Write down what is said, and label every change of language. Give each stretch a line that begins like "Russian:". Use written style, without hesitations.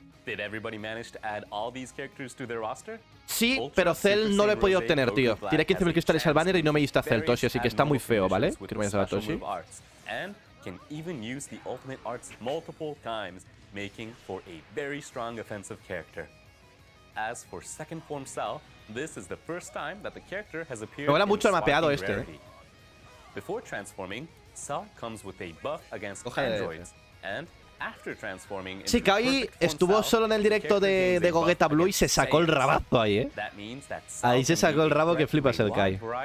English: Did everybody manage to add all these characters to their roster?
Spanish: Sí, pero Cell no lo he podido obtener, tío. Tiene 15.000 cristales al banner y no me diste a Cell, Toshi, así que está muy feo, ¿vale? Que no me diste a Toshi.
English: And can even use the ultimate arts multiple times, making for a very strong offensive character. As for second form Cell, this is the first time that the character has appeared.
Spanish: Me mola mucho el mapeado este.
English: Before transforming, Cell comes with a buff against androids and after transforming.
Spanish: Sí, Kai estuvo solo en el directo de Gogeta Blue y se sacó el rabazo ahí, ¿eh? Ahí se sacó el rabo que flipas el Kai.